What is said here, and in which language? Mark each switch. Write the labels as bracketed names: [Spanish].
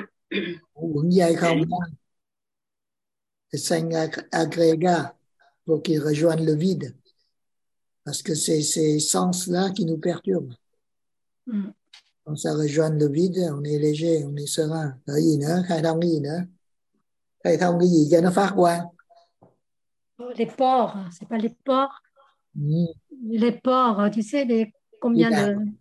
[French] Les cinq agrégats. Pour qu'ils rejoignent le vide. Parce que c'est ces sens-là qui nous perturbent. Mm. Quand ça rejoint le vide, on est léger, on est serein. [Vietnamese] Khai thông gì nữa? Khai thông gì nữa? Khai thông cái gì cho nó phát quang? [French] Les pores, c'est pas les pores. Mm. Les pores, tu sais, les combien de...